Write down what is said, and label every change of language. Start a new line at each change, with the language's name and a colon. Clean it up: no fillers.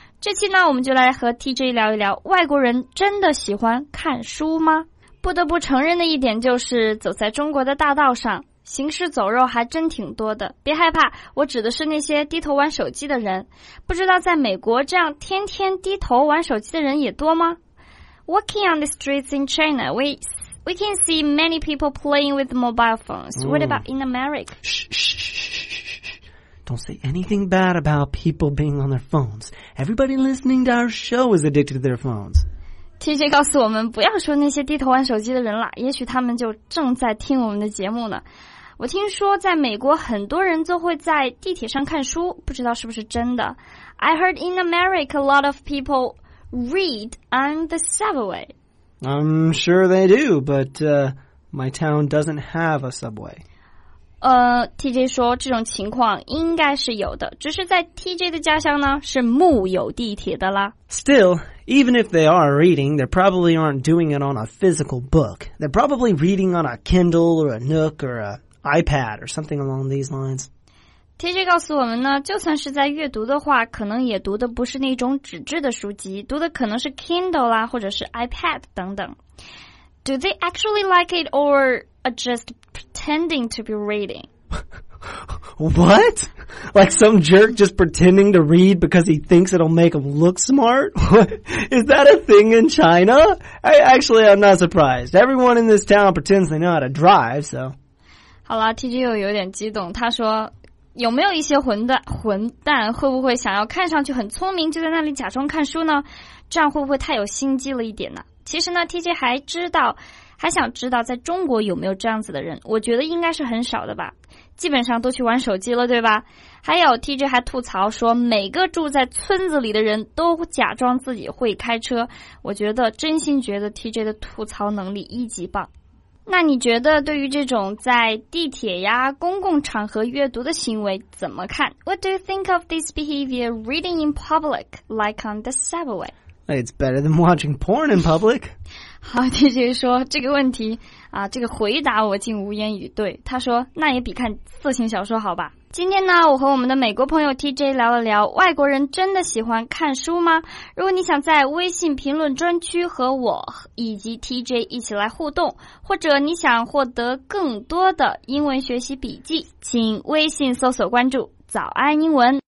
Chinese: 这期呢，我们就来和 TJ 聊一聊，外国人真的喜欢看书吗？不得不承认的一点就是，走在中国的大道上，行尸走肉还真挺多的。别害怕，我指的是那些低头玩手机的人。不知道在美国，这样天天低头玩手机的人也多吗？
English: Walking on the streets in China, we can see many people playing with mobile phones. What about in America? Don't say anything bad about people being on their phones. Everybody listening to our show is addicted to their phones.
Chinese: TJ 告诉我们不要说那些低头玩手机的人了，也许他们就正在听我们的节目呢。我听说在美国很多人都会在地铁上看书，不知道是不是真的。
English: I heard in America a lot of people read on the subway. I'm sure they do, but my town doesn't have a subway.
Chinese: TJ 说这种情况应该是有的，只是在 TJ 的家乡呢是木有地铁的啦。
English: Still, even if they are reading, they probably aren't doing it on a physical book. They're probably reading on a Kindle or a Nook or a iPad or something along these lines.
Chinese: TJ 告诉我们呢，就算是在阅读的话，可能也读的不是那种纸质的书籍，读的可能是 Kindle 啦，或者是 iPad 等等。
English: Do they actually like it or are justPretending to be reading. What? Like some jerk just pretending to read because he thinks it'll make him look smart? Is that a thing in China? Actually, I'm not surprised. Everyone in this town pretends they know how to drive, so.
Chinese: 好啦 TJ 又有点激动，他说有没有一些混蛋会不会想要看上去很聪明，就在那里假装看书呢？这样会不会太有心机了一点呢？其实呢 TJ 还想知道在中国有没有这样子的人，我觉得应该是很少的吧，基本上都去玩手机了，对吧？还有 TJ 还吐槽说，每个住在村子里的人都假装自己会开车，我觉得真心觉得 TJ 的吐槽能力一级棒。那你觉得对于这种在地铁呀公共场合阅读的行为怎么看？
English: What do you think of this behavior reading in public like on the subway? It's better than watching porn in public.
Chinese: 好 TJ 说这个问题啊，这个回答我竟无言以对。他说那也比看色情小说好吧。今天呢，我和我们的美国朋友 TJ 聊了聊，外国人真的喜欢看书吗？如果你想在微信评论专区和我以及 TJ 一起来互动，或者你想获得更多的英文学习笔记，请微信搜索关注早安英文。